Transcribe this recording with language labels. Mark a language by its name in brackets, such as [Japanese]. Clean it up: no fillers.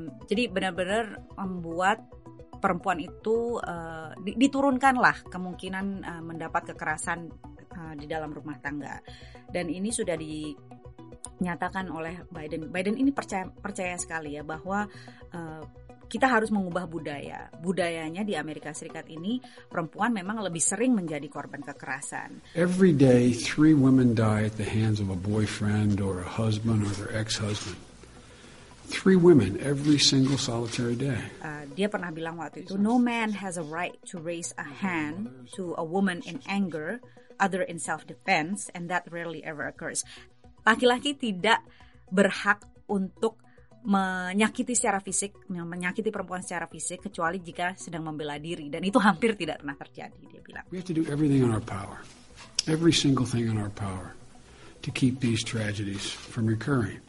[Indonesian] Jadi benar-benar membuat perempuan itu diturunkanlah kemungkinan mendapat kekerasan di dalam rumah tangga. Dan ini sudah dinyatakan oleh Biden. Biden ini percaya sekali ya bahwa kita harus mengubah budaya. Budayanya di Amerika Serikat ini perempuan memang lebih sering menjadi korban kekerasan. [English] Every day, three women die at the hands of a boyfriend or a husband or their ex-husband. Three women every single solitary day. [Indonesian] Dia pernah bilang waktu itu, [English] no man has a right to raise a hand to a woman in anger, other in self-defense, and that rarely ever occurs. [Indonesian] Laki-laki tidak berhak untuk menyakiti perempuan secara fisik kecuali jika sedang membela diri, dan itu hampir tidak pernah terjadi, dia bilang. [English] We have to do everything in our power, every single thing in our power, to keep these tragedies from recurring.